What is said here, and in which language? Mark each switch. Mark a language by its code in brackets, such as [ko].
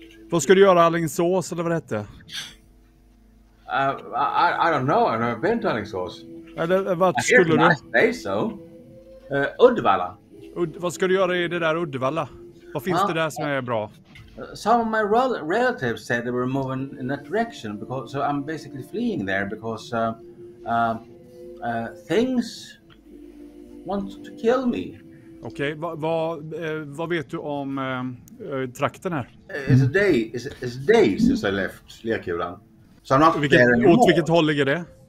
[sv] Vad ska du göra, Alingsås, eller vad det heter? [en] I don't know. I've never been to Alingsås. [sv] Eller vad skulle du? [en] I say so. Uddevalla. [sv] Vad ska du göra i det där Uddevalla? Vad finns det där som är bra? [en] Some of my relatives said they were moving in that direction, because so I'm basically fleeing there because things want to kill me. [sv] Okay, vad vet du om trakten här? [en] It's a day since I left Lerkulan. So I'm not vilket, there anymore. [sv] Åt vilket håll ligger det?